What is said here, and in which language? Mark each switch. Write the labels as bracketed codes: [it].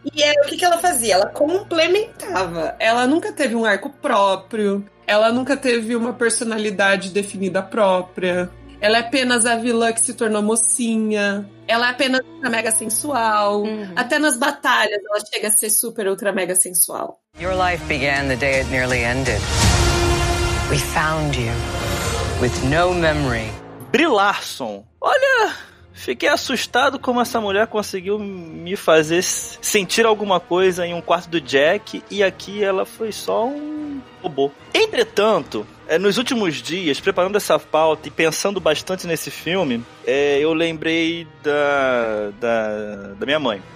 [pt] E aí, o que ela fazia? Ela complementava. Ela nunca teve um arco próprio. Ela nunca teve uma personalidade definida própria. Ela é apenas a vilã que se tornou mocinha. Ela é apenas ultra mega sensual. Uhum. Até nas batalhas ela chega a ser super ultra mega sensual. [en] Your life began the day it nearly ended. We found you with no memory. Brie Larson. [pt] Olha, fiquei assustado como essa mulher conseguiu me fazer sentir alguma coisa em um quarto do Jack. E aqui ela foi só um robô. Entretanto, nos últimos dias, preparando essa pauta e pensando bastante nesse filme, eu lembrei da minha mãe.